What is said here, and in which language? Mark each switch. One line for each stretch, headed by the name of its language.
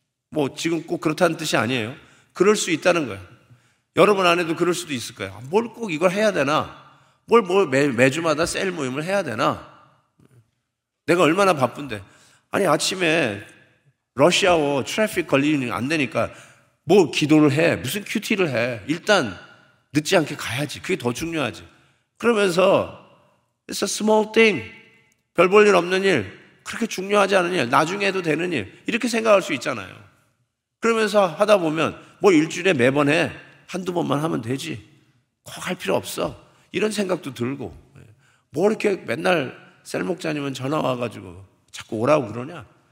Korean: 뭐 지금 꼭 그렇다는 뜻이 아니에요. 그럴 수 있다는 거예요. 여러분 안에도 그럴 수도 있을 거예요. 뭘 꼭 이걸 해야 되나? 매주마다 셀 모임을 해야 되나? 내가 얼마나 바쁜데. 아니 아침에 러시아워 트래픽 걸리면 안 되니까 뭐 기도를 해. 무슨 큐티를 해. 일단 늦지 않게 가야지. 그게 더 중요하지. 그러면서
English: It's a small thing.
Korean: 별 볼 일 없는 일. 그렇게 중요하지 않은 일. 나중에 해도 되는 일. 이렇게 생각할 수 있잖아요. 그러면서 하다 보면 뭐 일주일에 매번 해. 한두 번만 하면 되지. 꼭 할 필요 없어. 이런 생각도 들고. 뭐 이렇게 맨날 셀 목자님은 전화 와가지고 자꾸 오라고 그러냐.